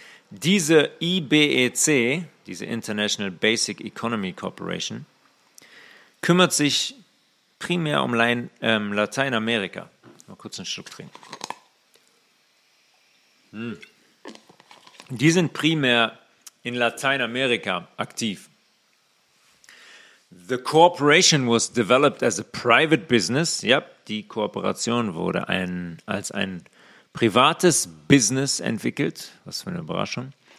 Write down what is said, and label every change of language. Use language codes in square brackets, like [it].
[de] Diese IBEC, diese International Basic Economy Corporation, kümmert sich primär um Lateinamerika. Mal kurz einen Schluck trinken. Die sind primär in Lateinamerika aktiv. [en] The corporation was developed as a private business. [de] Ja, die Kooperation wurde als ein privates Business entwickelt. Was für eine Überraschung.